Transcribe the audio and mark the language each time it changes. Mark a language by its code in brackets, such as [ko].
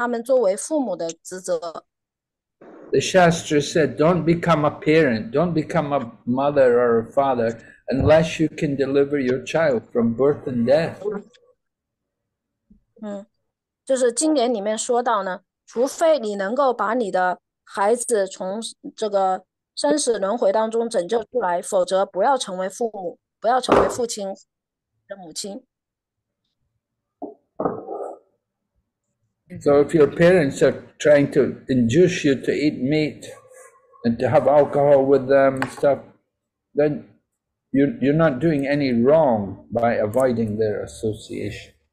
[zh] 就是如果他们不赞同你的这些规范原则的话，那就表示他们没有很好的履行他们作为父母的职责。 [en] The Shastra said, don't become a parent, don't become a mother or a father unless you can deliver your child from birth and death. [zh] 就是经典里面说到呢，除非你能够把你的孩子从这个生死轮回当中拯救出来，否则不要成为父母，不要成为父亲的母亲。So [en] if your parents are trying to induce you to eat meat and to have alcohol with them and stuff, then you're not doing any wrong by avoiding their association.